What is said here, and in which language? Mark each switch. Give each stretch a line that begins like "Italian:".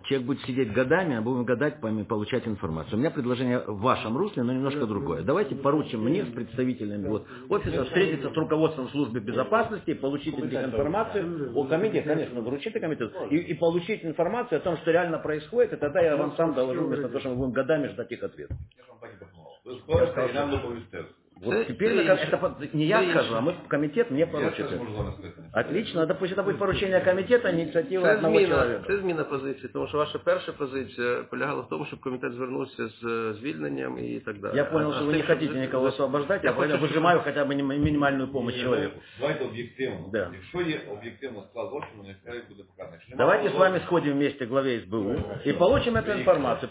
Ukrainian: Чоловік буде сидіти годами, а будемо гадати, получати інформацію. У мене пропозиція в вашому руслі, але немножко друге. Давайте поручимо мені з представителями офісу встретитися з руководством Служби безпеки, отримати цю інформацію у комітеті, звісно, вручити комітету, і отримати інформацію о тому, що реально відбувається, і тоді я вам сам доложу, вместо того, що ми будемо годами чекати їх відповідь. Я вам пані
Russian: Вот теперь не я скажу, а мы комитет мне поручит. Отлично, да пусть это будет поручение комитета, а инициатива одного человека.
Ukrainian: Це зміна позиції, тому що ваша перша позиція полягала в тому, щоб комітет звернувся з звільненням і так далі.
Russian: Я понял,
Ukrainian: що ви не хотите нікого освобождати, я хочу... вижимаю хоча б мінімальну допомогу чоловіку. Давайте об'єктивно. Да. Якщо є об'єктивно склад злочину, нехай буде показано. Давайте з вами сходимо вместе главе СБУ і получимо цю інформацію.